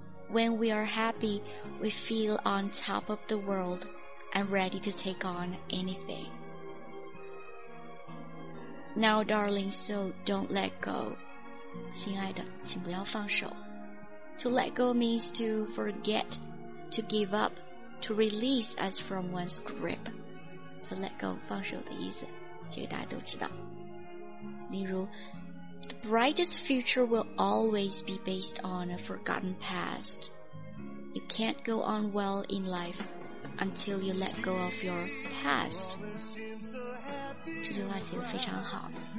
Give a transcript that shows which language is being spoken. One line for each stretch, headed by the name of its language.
English: When we are happy we feel on top of the world and ready to take on anything。 Now, darling, so don't let go.
Chinese: 亲爱的，请不要放手。
English: To let go means to forget, to give up, to release us from one's grip. To let go,
Chinese: 放手的意思，这个大家都知道。例如
English: The brightest future will always be based on a forgotten past. You can't go on well in lifeUntil you let go of your past.
Chinese: 这句话写得非常好。